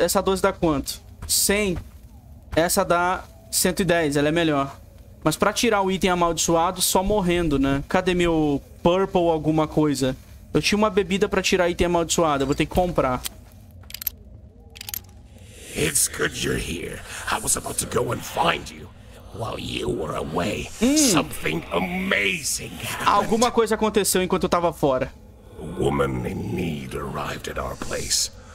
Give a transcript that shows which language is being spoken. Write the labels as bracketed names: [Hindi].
[Portuguese] Essa 12 dá quanto? 100. Essa dá 110. Ela é melhor. Mas pra tirar o item amaldiçoado, só morrendo, né? Cadê meu purple alguma coisa? Eu tinha uma bebida pra tirar item amaldiçoado. Eu vou ter que comprar. É bom que você esteja aqui. Eu estava [English] about to go and find you. While you were away, something amazing happened. [Portuguese] Alguma coisa aconteceu enquanto eu estava fora. [English] A woman in need arrived at our place.